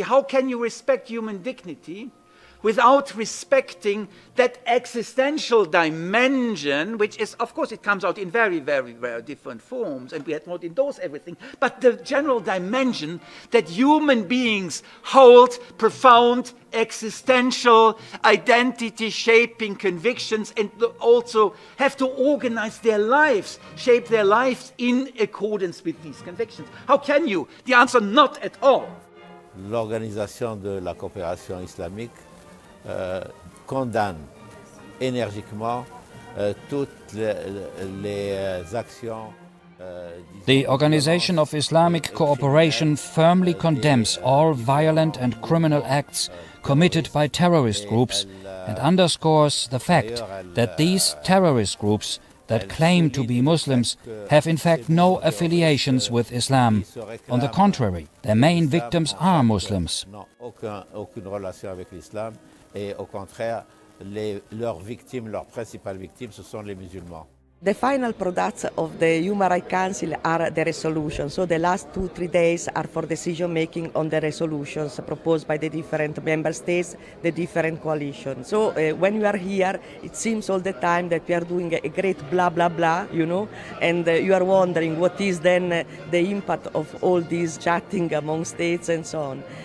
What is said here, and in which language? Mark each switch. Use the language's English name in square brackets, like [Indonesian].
[English] How can you respect human dignity without respecting that existential dimension, which is, of course, it comes out in very, very, very different forms, and we have not endorsed everything, but the general dimension that human beings hold profound existential identity-shaping convictions and also have to organize their lives, shape their lives in accordance with these convictions. How can you? The answer, not at all. [French] L'organisation de la coopération islamique condamne énergiquement toutes les actions. [English] The Organization of Islamic Cooperation firmly condemns all violent and criminal acts committed by terrorist groups and underscores the fact that these terrorist groups that claim to be Muslims have in fact no affiliations with Islam. On the contrary, their main victims are Muslims. [French] Aucune relation avec l'islam et au contraire leurs victimes, leurs principales victimes, ce sont les musulmans. [English] The final products of the Human Rights Council are the resolutions. So the last 2-3 days are for decision making on the resolutions proposed by the different member states, the different coalitions. So when you are here, it seems all the time that we are doing a great blah, blah, blah, you know, and you are wondering what is then the impact of all this chatting among states and so on.